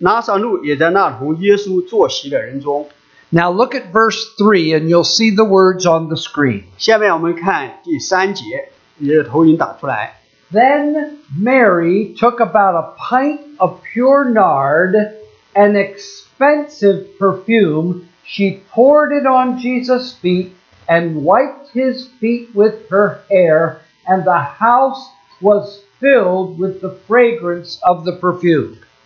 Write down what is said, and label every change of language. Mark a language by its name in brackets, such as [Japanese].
[Chinese] 有人在那里给耶稣预备筵席,马大侍候,拿撒路也在那同耶稣坐席的人中。 [English] Now look at verse 3 and you'll see the words on the screen. [Chinese] 下面我们看第三节,你的投影打出来。 [English] Then Mary took about a pint of pure nard, an expensive perfume, she poured it on Jesus' feet and wiped his feet with her hair, and the house was filled with the fragrance of the perfume.